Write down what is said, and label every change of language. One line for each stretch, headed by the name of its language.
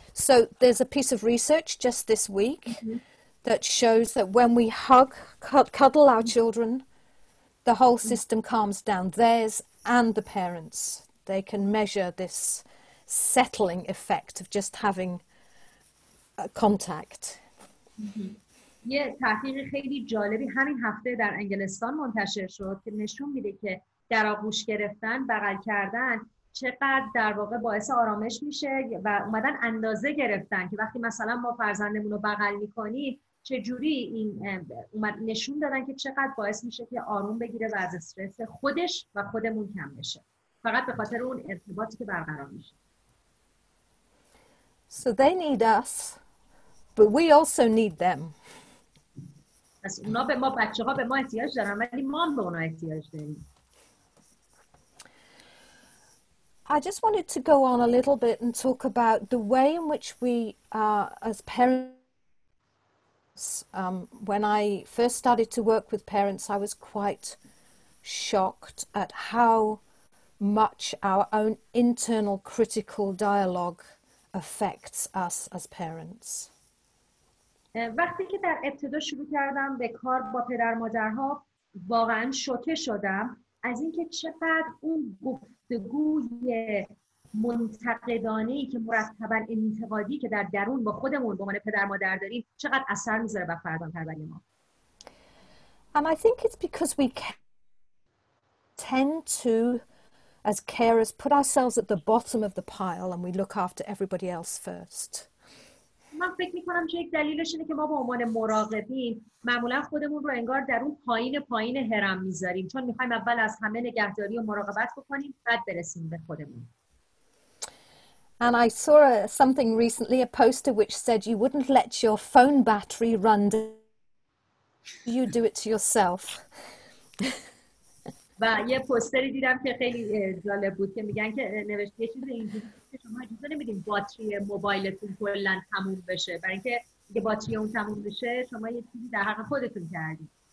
English: So there's a piece of research just this week that shows that when we hug, cuddle our children, the whole system calms down, theirs and the parents. They can measure this settling effect of just having a contact.
Persian: یه تحقیق خیلی جالبی همین هفته در انگلستان منتشر شد که نشون میده که در آغوش گرفتن، بغل کردن چقدر در واقع باعث آرامش میشه. و اومدن اندازه گرفتن که وقتی مثلا ما فرزندمون رو بغل میکنیم چجوری این اومد نشون دادن که چقدر باعث میشه که آروم بگیره و از استرس خودش و خودمون کم بشه، فقط به خاطر اون ارتباطی که برقرار میشه.
English: So they need us, but we also need them.
Persian: پس اونا به ما، بچه ها به ما احتیاج دارن، ولی ما هم به اونا احتیاج داریم.
English: I just wanted to go on a little bit and talk about the way in which we as parents. When I first started to work with parents, I was quite shocked at how much our own internal critical dialogue affects us as parents.
Persian: وقتی که در ابتدا شروع کردم به کار با پدر مادرها، واقعا شوکه شدم از اینکه چقدر اون گفتگوی منتقدانه‌ای که مرتبا انتقادی که در درون با خودمون به عنوان پدر مادر داریم چقدر اثر میذاره بر فرزند پروری ما.
English: And I think it's because we tend to, as carers, put ourselves at the bottom of the pile and we look after everybody else first.
Persian: من فکر میکنم چه یک دلیلش اینه که ما به عنوان مراقبین معمولا خودمون رو انگار در اون پایین هرم میذاریم، چون میخوایم اول از همه نگهداری و مراقبت بکنیم بعد برسیم به خودمون.
English: And I saw something recently, a poster which said you wouldn't let your phone battery run down. You do it to yourself.
Persian: و یه پوستری دیدم که خیلی جالب بود که میگن که نوشته یه چیزی اینجوری که شما اجازه نمیدین باتری موبایلتون کلا تموم بشه، برای اینکه یه باتری اون تموم بشه شما یه چیزی در حق خودتون کردید.